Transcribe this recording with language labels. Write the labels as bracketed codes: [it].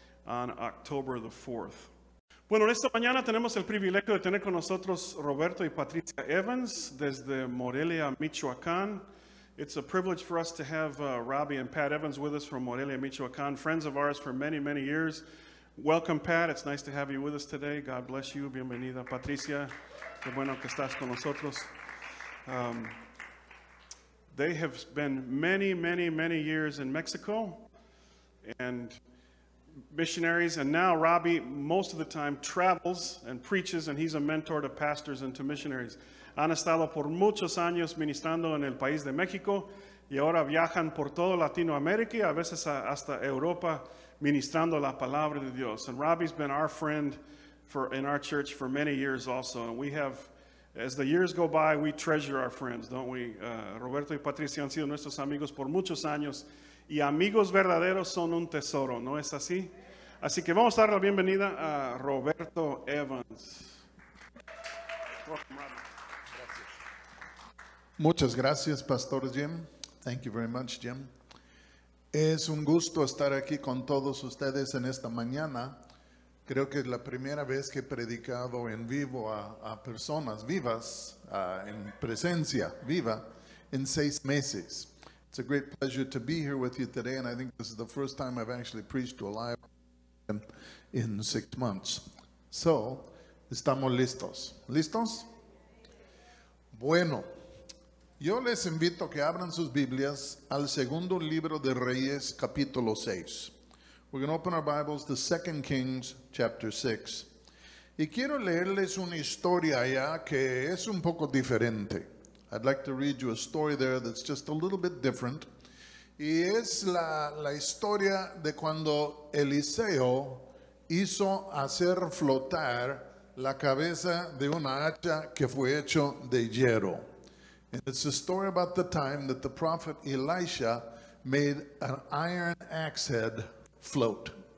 [en] on October the 4th. [es] Bueno, esta mañana tenemos el privilegio de tener con nosotros Roberto y Patricia Evans desde Morelia, Michoacán. [en] It's a privilege for us to have Robbie and Pat Evans with us from Morelia, Michoacán, friends of ours for many, many years. Welcome, Pat. It's nice to have you with us today. God bless you. [es] Bienvenida, Patricia. Qué bueno que estás con nosotros. [en] They have been many, many, many years in Mexico and missionaries. And now Robbie, most of the time, travels and preaches, and he's a mentor to pastors and to missionaries. [es] Han estado por muchos años ministrando en el país de México y ahora viajan por todo Latinoamérica y a veces hasta Europa ministrando la palabra de Dios. [en] And Robbie's been our friend in our church for many years also. And we have, as the years go by, we treasure our friends, don't we? [es] Roberto y Patricia han sido nuestros amigos por muchos años y amigos verdaderos son un tesoro, ¿no es así? Así que vamos a dar la bienvenida a Roberto Evans. [en] Welcome, Robbie. [es] Muchas gracias, Pastor Jim. [en] Thank you very much, Jim. [es] Es un gusto estar aquí con todos ustedes en esta mañana. Creo que es la primera vez que he predicado en vivo a personas vivas, en presencia viva, en 6 meses. [en] It's a great pleasure to be here with you today, and I think this is the first time I've actually preached to a live audience in 6 months. [es] So, estamos listos. ¿Listos? Bueno. Yo les invito a que abran sus Biblias al segundo libro de Reyes, capítulo 6. [en] We're going to open our Bibles to 2 Kings, chapter 6. [es] Y quiero leerles una historia allá que es un poco diferente. [en] I'd like to read you a story there that's just a little bit different. [es] Y es la historia de cuando Eliseo hizo hacer flotar la cabeza de una hacha que fue hecho de hierro. [en] And it's a story about the time that the prophet Elisha made an iron axe head float.